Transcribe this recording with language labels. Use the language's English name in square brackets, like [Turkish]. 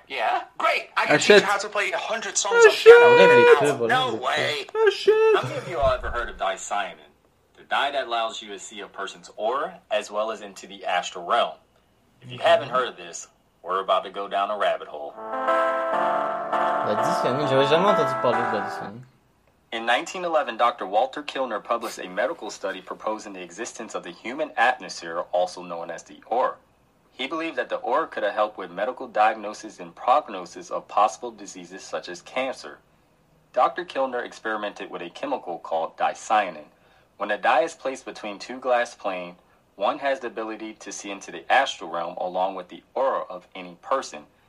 [English] Yeah. Great, I can teach you how to play 100 songs on piano in an hour. No way. How many of you all ever heard of Dysimon? The dye that allows you to see a person's aura as well as into the astral realm. If you haven't heard of this, we're about to go down a rabbit hole. [French] La Dysimon, j'avais jamais entendu parler de la Dysimon. [English] In 1911, Dr. Walter Kilner published a medical study proposing the existence of the human atmosphere, also known as the aura. He believed that the aura could have helped with medical diagnosis and prognosis of possible diseases such as cancer. Dr. Kilner experimented with a chemical called dicyanin. When a dye is placed between two glass planes, one has the ability to see into the astral realm along with the aura of any person.